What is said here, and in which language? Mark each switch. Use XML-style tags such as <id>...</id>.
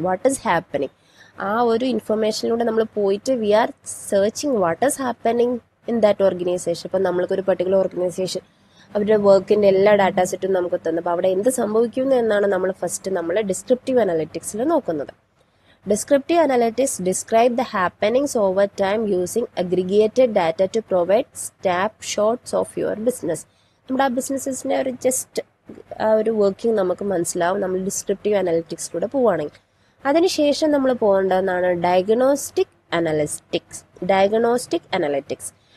<en>what is happening,</en> <ml>ആ ഒരു ഇൻഫർമേഷനിലൂടെ നമ്മൾ പോയിട്ട്</ml> <en>We are searching what is happening in that organisation.</en> <ml>ഇപ്പോൾ നമ്മൾക്കൊരു പർട്ടിക്കുലർ ഓർഗനൈസേഷൻ അവരുടെ വർക്കിൻ്റെ എല്ലാ ഡാറ്റാ സെറ്റും നമുക്ക് തന്നു. അപ്പോൾ അവിടെ എന്ത് സംഭവിക്കുന്നു എന്നാണ് നമ്മൾ ഫസ്റ്റ് നമ്മൾ ഡിസ്ക്രിപ്റ്റീവ് അനാലിറ്റിക്സിൽ നോക്കുന്നത്.</ml> <en>Descriptive analytics describe the happenings over time using aggregated data to provide snapshots of your business.</en> <ml>നമ്മുടെ ആ ബിസിനസ്സിൻ്റെ ഒരു ജസ്റ്റ് ആ ഒരു വർക്കിംഗ് നമുക്ക് മനസ്സിലാവും നമ്മൾ ഡിസ്ക്രിപ്റ്റീവ് അനാലിറ്റിക്സിലൂടെ പോവുകയാണെങ്കിൽ. അതിനുശേഷം നമ്മൾ പോകേണ്ടതെന്നാണ് ഡയഗ്നോസ്റ്റിക് അനാലിറ്റിക്സ്.</ml>